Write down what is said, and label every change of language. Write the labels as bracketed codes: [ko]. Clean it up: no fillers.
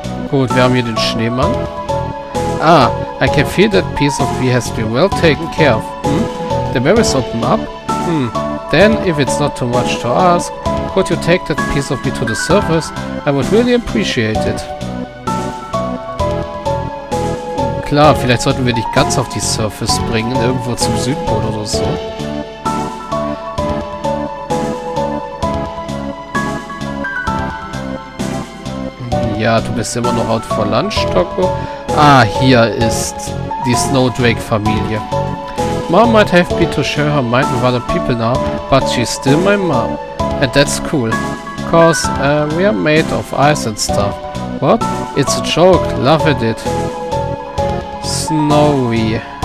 [de] Gut, wir haben hier den Schneemann. [en] Ah, I can feel that piece of me has been well taken care of. Hm? The berries open up. Hm. Then, if it's not too much to ask, could you take that piece of me to the surface? I would really appreciate it. [de] Klar, vielleicht sollten wir dich ganz auf die Surface bringen, irgendwo zum Südpol oder so. Ja, du bist immer noch [en] out for lunch, [de] Doku. Ah, hier ist die Snowdrake-Familie. [en] Mom might have been to share her mind with other people now, but she's still my mom. And that's cool. Cause we are made of ice and stuff. What? It's a joke. Love it. Snowy.